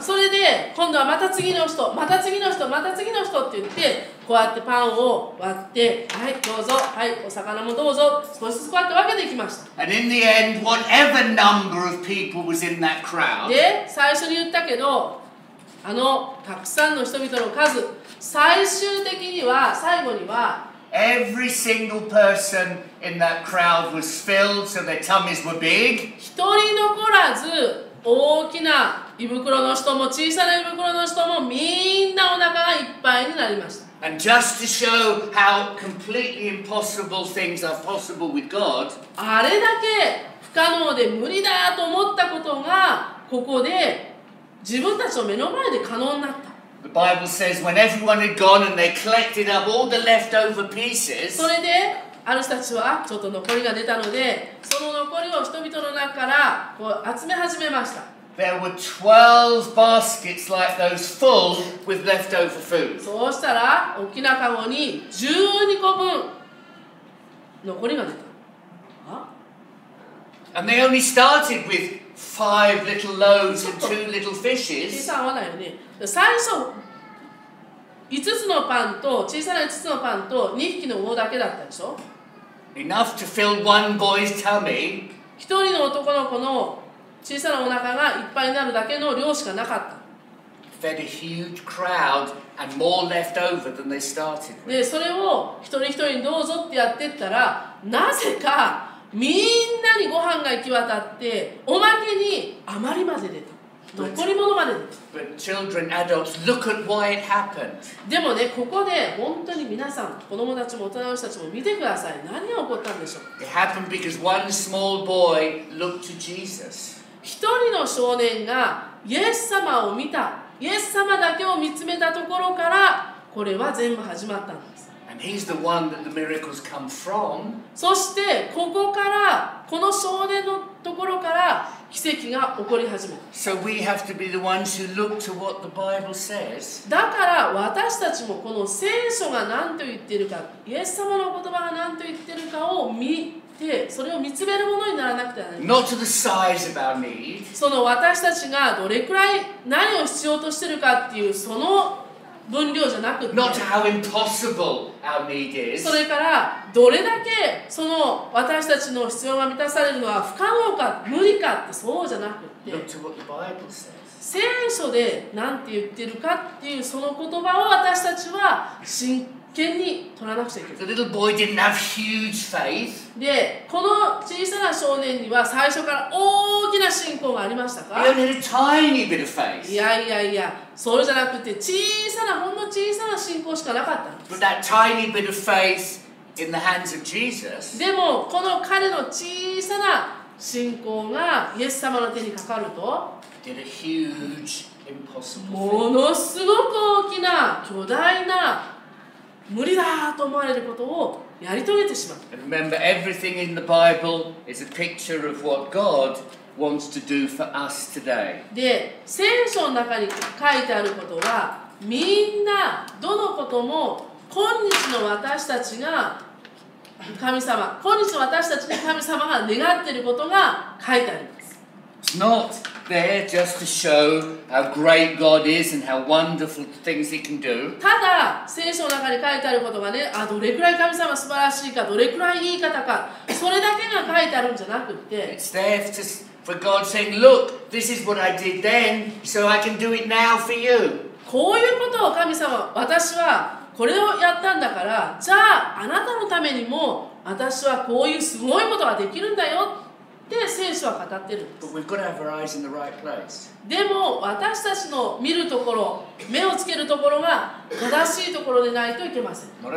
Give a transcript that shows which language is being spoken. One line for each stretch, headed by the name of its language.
Japanese: それで、今度はまた次の人、また次の人、また次の人って言って、こうやってパンを割って、はい、どうぞ、はい、お魚もどうぞ、少しずつこうやって分けていきました。
English: And in the end, whatever number of people was in that crowd.
Japanese: で、最初に言ったけど、あの、たくさんの人々の数、最終的には、最後には、
English: Every single person in that crowd was filled, so their tummies were big.
Japanese: 一人残らず、大きな胃袋の人も小さな胃袋の人もみんなお腹がいっぱいになりました。
English: And just to show how completely impossible things are possible with God.
Japanese: あれだけ不可能で無理だと思ったことがここで自分たちの目の前で可能になった。
English: The Bible says when everyone had gone and they collected up all the leftover pieces.
Japanese: それで、ある人たちはちょっと残りが出たので、その残りを人々の中からこう集め始めました。
English: There were 12 baskets like those full with leftover food.
Japanese: そうしたら、大きなカゴに12個分残りが出た。
English: And they only started with 5 little loaves and 2 little fishes.
Japanese: 計算合わないよね。最初、5つのパンと、小さな5つのパンと2匹の魚だけだったでしょ。
English: Enough to fill one boy's tummy.
Japanese: 一人の男の子の小さなお腹がいっぱいになるだけの量しかなかった。
English: Fed a huge crowd and more left over than they started with.
Japanese: で、それを一人一人にどうぞってやってったら、なぜかみんなにご飯が行き渡って、おまけに余りまで出た。残り物まで。
English: But children, adults, look at why it happened.
Japanese: でもね、ここで本当に皆さん、子供たちも大人の人たちも見てください。何が起こったんでしょう。
English: It happened because one small boy looked to Jesus.
Japanese: 一人の少年がイエス様を見た。イエス様だけを見つめたところから、これは全部始まったんです。
English: And he's the one that the miracles come from.
Japanese: そしてここから、この少年のところから、奇跡が起こり始める。
English: So we have to be the ones who look to what the Bible says.
Japanese: だから私たちもこの聖書が何と言っているか、イエス様の言葉が何と言っているかを見てそれを見つめるものにならなくてはならない。
English: Not to the size of our need.
Japanese: その私たちがどれくらい何を必要としてるかっていうその分量じゃなくて。
English: Not to how impossible our need is.
Japanese: それからどれだけその私たちの必要が満たされるのは不可能か無理かってそうじゃなくて。
English: Not to what the Bible says.
Japanese: 聖書で何て言ってるかっていうその言葉を私たちは信じ権に取らなくちゃいけない。
English: The little boy didn't have huge faith.
Japanese: で、この小さな少年には最初から大きな信仰がありましたか？
English: He only had a tiny bit of faith.
Japanese: いやいやいや、それじゃなくて小さなほんの小さな信仰しかなかったんです。
English: But that tiny bit of faith in the hands of Jesus.
Japanese: でもこの彼の小さな信仰がイエス様の手にかかると、
English: did a huge impossible thing.
Japanese: ものすごく大きな巨大な無理だと思われることをやり遂げてしまった。
English: Remember, everything in the Bible is a picture of what God wants to do for us today.
Japanese: で、聖書の中に書いてあることは、みんなどのことも今日の私たちが神様、今日の私たちに神様が願っていることが書いてあります。
English: It's not there just to show how great God is and how wonderful things He can do.
Japanese: ただ聖書の中に書いてあることがね、あどれくらい神様素晴らしいか、どれくらいいい方か、それだけが書いてあるんじゃなくて、
English: It's there just for God saying, "Look, this is what I did then, so I can do it now for you."
Japanese: こういうことを神様、私はこれをやったんだから、じゃああなたのためにも私はこういうすごいことができるんだよ。で、聖書は語ってるんです。でも、私たちの見るところ、目をつけるところが正しいところでないといけません。